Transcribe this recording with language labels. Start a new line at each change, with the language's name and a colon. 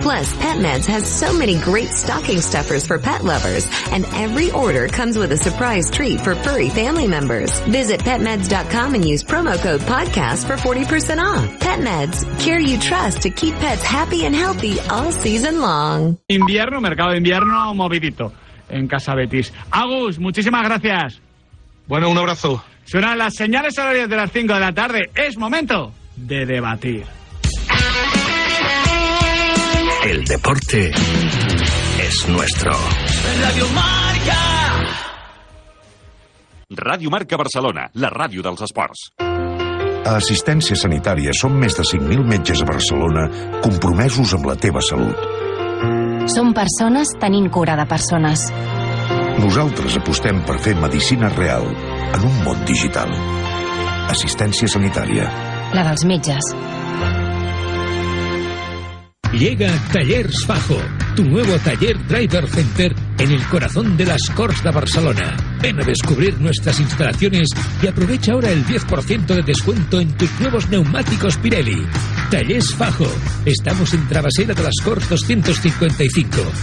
English: Plus, PetMeds has so many great stocking stuffers for pet lovers, and every order comes with a surprise treat for furry family members. Visit PetMeds.com and use promo code PODCAST for 40% off. PetMeds, care you trust to keep pets happy and healthy all season long.
Spanish: Invierno, mercado de invierno, movidito en Casa Betis. Agus, muchísimas gracias. Bueno, un abrazo. Suenan las señales horarias de las 5 de la tarde. Es momento de debatir. El deporte es nuestro. Radio Marca.
Catalan: Radio Marca Barcelona, la ràdio dels esports. A Assistència Sanitària som més de 5.000 metges a Barcelona compromesos amb la teva salut. Som persones tenint cura de persones. Nosaltres apostem per fer medicina real en un món digital. Assistència sanitària. La dels metges.
Spanish: Llega Tallers Fajo, tu nuevo taller Driver Center en el corazón de las Corts de Barcelona. Ven a descubrir nuestras instalaciones y aprovecha ahora el 10% de descuento en tus nuevos neumáticos Pirelli. Tallers Fajo, estamos en Travasera de las Corts 255.